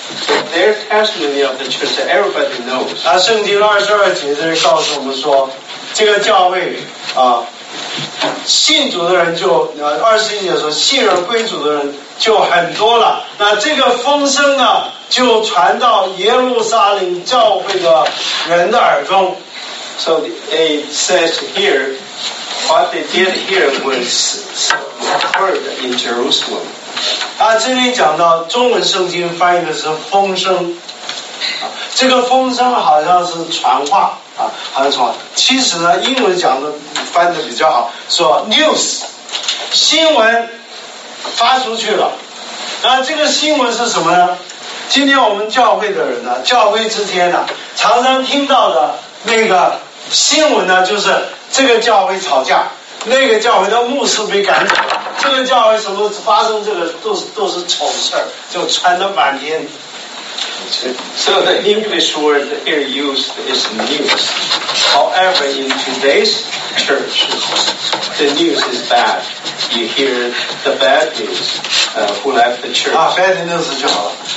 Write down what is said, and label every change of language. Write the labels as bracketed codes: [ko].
[en] So their testimony of the church, everybody knows。 [zh] 那圣经二十二节这里告诉我们说，这个教会信主的人就二十一节说信而归主的人就很多了，那这个风声呢就传到耶路撒冷教会的人的耳中。 [en] So it says here what they did here was heard in Jerusalem. [zh] 这里讲到中文圣经翻译的是风声，这个风声好像是传话还是什么，其实呢英文讲的翻的比较好，说 news 新闻发出去了。那这个新闻是什么呢？今天我们教会的人呢，教会之间呢，常常听到的那个新闻呢，就是这个教会吵架，那个教会的牧师被赶走，这个教会什么发生，这个都是丑事，就传得满天。 [en] So the English word here used is news. However, in today's church, the news is bad. You hear the bad news. Who left the church? Bad news [zh] 就好了。